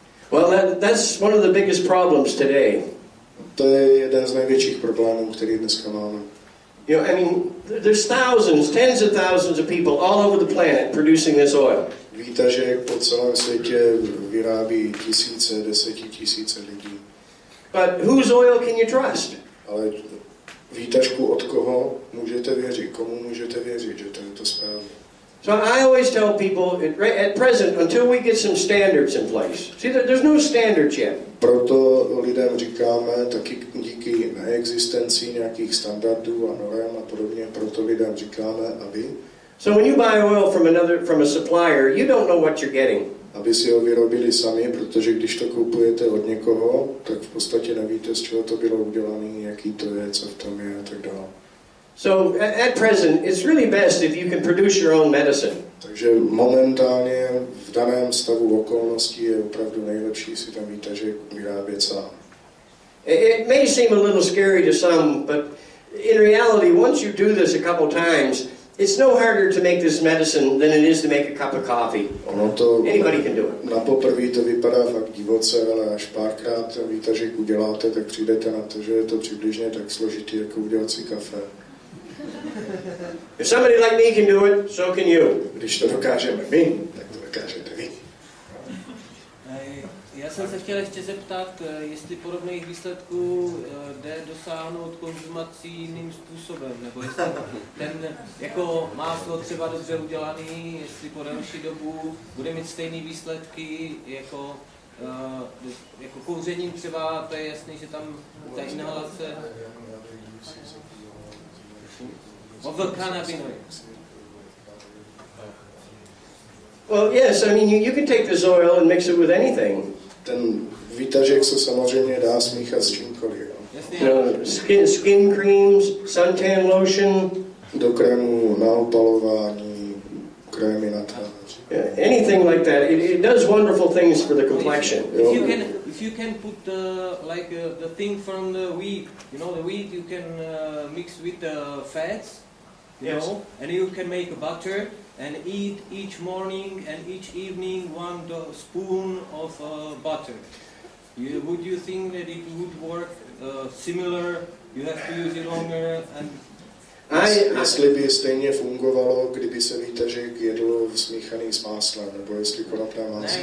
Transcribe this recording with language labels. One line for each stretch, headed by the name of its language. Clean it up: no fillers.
English: Well, that's one of the biggest problems today.
Czech: To je jeden z největších problémů, který dneska máme.
English: You know, I mean, there's thousands, tens of thousands of people all over the planet producing this oil.
Czech: Výtažek po celém světě vyrábí tisíce, desetitisíce lidí.
English: But whose oil can you trust?
Czech: Ale výtažku od koho můžete věřit? Komu můžete věřit, že to je to správně?
English: So I always tell people, at present, until we get some standards in place. See, there's no standards yet.
Czech: Proto lidem říkáme, taky díky neexistenci nějakých standardů a norem a podobně, proto lidem říkáme, aby...
English: So when you buy oil from a supplier, you don't know what you're getting.
Czech: Aby si ho vyrobili sami, protože když to kupujete od někoho, tak v podstatě nevíte, z čeho to bylo udělané, jaký to je, co v tom je a tak dále.
English: So at present, it's really best if you can produce your own medicine.
Czech: Takže momentálně v daném stavu okolností je opravdu nejlepší si ten výtažek vyrábět sám.
English: It may seem a little scary to some, but in reality, once you do this a couple times, it's no harder to make this medicine than it is to make a cup of coffee.
Czech: Ono to
English: anybody can do it.
Czech: Na poprvé to vypadá fakt divoce, ale až párkrát výtažek uděláte, tak přijdete na to, že je to přibližně tak složitý, jako udělat si kafe.
English: If somebody like me can do it, so can you.
Czech: Když to dokážeme my, tak to dokážete vy. Já jsem se chtěl ještě zeptat, jestli podobných výsledků jde dosáhnout konzumací jiným způsobem, nebo jestli ten jako máslo třeba dobře udělaný, jestli po delší dobu bude mít stejné výsledky jako jako kouřením třeba, to je jasný, že tam ta inhalace.
English: Of the cannabinoids. Well, yes, I mean you can take this oil and mix it with anything.
Czech: Ten výtažek se samozřejmě dá smíchat s čímkoliv.
English: Skin creams, suntan lotion.
Czech: Do krému na opalování, krémy na tvář.
English: Yeah, anything like that, it does wonderful things for the complexion. If you can put the thing from the wheat, you know, the wheat you can mix with the fats, you know, and you can make butter and eat each morning and each evening one spoon of butter. Would you think that it would work similar? You have to use it longer and.
Czech: Jestli by stejně fungovalo, kdyby se výtažek jedl smíchaný s máslem, nebo jestli konopné máslo.